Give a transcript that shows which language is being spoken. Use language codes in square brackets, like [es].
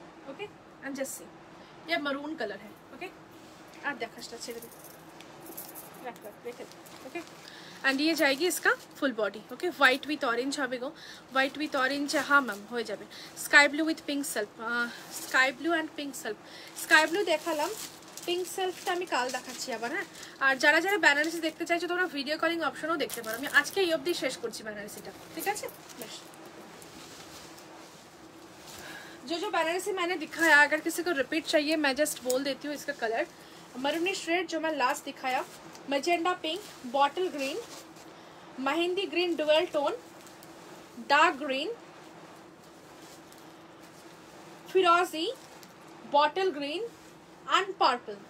[hi] Okay and just see, ये maroon colour है। Okay, आप देखा अच्छा अच्छे देखो, ओके एंड ये जाएगी इसका full body. Okay, white with orange होगा, व्हाइट विथ ऑरेंज, हाँ मैम हो जाए, sky blue with pink self, sky blue and pink self, sky blue देखा लम, [bn] পিঙ্ক সেলফটা আমি কাল দেখাচ্ছি আবার। হ্যাঁ, আর যারা যারা বেনারসি দেখতে চাইছো তোমরা ভিডিও কলিং অপশনও দেখতে পারো। আমি আজকে এই অবধি শেষ করছি বেনারসিটা, ঠিক আছে? [hi] जो जो बनारसी मैंने दिखाया, अगर किसी को रिपीट चाहिए मैं जस्ट बोल देती हूँ। इसका कलर मरूनिश रेड जो मैं लास्ट दिखाया, magenta pink, bottle green, mehndi green dual tone, dark green, फिरोजी, बॉटल ग्रीन एंड पर्पल।